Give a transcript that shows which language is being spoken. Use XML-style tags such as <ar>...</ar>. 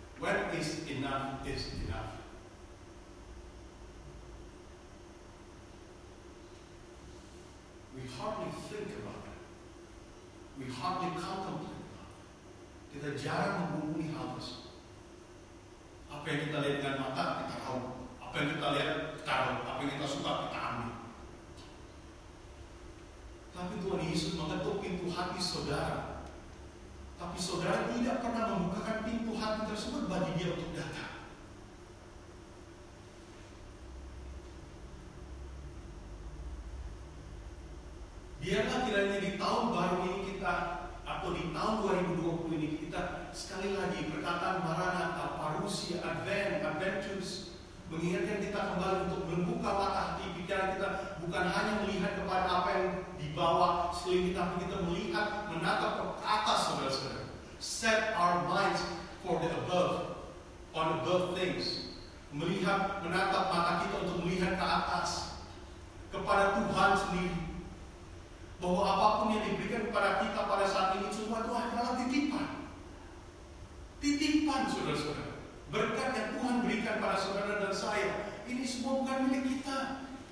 <en>When is enough is enough. We hardly think about it. We hardly contemplate about it.</en> <id>Kita jarang mengumumi hal tersebut. Apa yang kita lihat dengan mata, kita tahu. Apa yang kita lihat, kita tahu. Apa yang kita suka, kita ambil. Tapi Tuhan Yesus mengetuk pintu hati saudara. Tapi saudara tidak pernah membukakan pintu hati tersebut bagi dia untuk datang. Biarlah kiranya di tahun baru ini kita, atau di tahun 2020 ini kita sekali lagi perkataan Maranatha, Parousia, Advent, Adventus, mengingatkan kita kembali untuk membuka mata hati pikiran kita, bukan hanya melihat kepada apa yang dibawa seling kita, tapi kita melihat, menatap ke atas, saudara-saudara.</id> <en>Set our minds for the above, on above things.</en> <id>Melihat, menatap mata kita untuk melihat ke atas, kepada Tuhan sendiri. Bahwa apapun yang diberikan kepada kita pada saat ini, semua itu adalah titipan. Titipan, saudara-saudara. Berkat yang Tuhan berikan pada saudara dan saya, ini semua bukan milik kita.</id>